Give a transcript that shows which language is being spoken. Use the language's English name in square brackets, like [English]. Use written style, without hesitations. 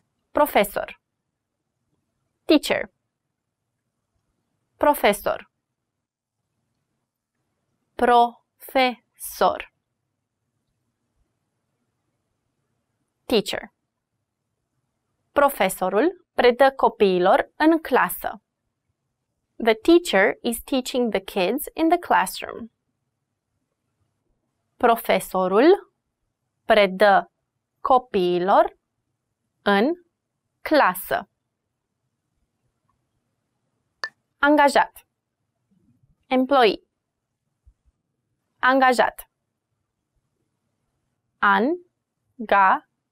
[Romanian] Profesor. Teacher. Profesor. Profesor. [English] Teacher. [Romanian] Profesorul predă copiilor în clasă. [English] The teacher is teaching the kids in the classroom. [Romanian] Profesorul predă copiilor în clasă. Angajat. Employee. Angajat. An-ga-jat.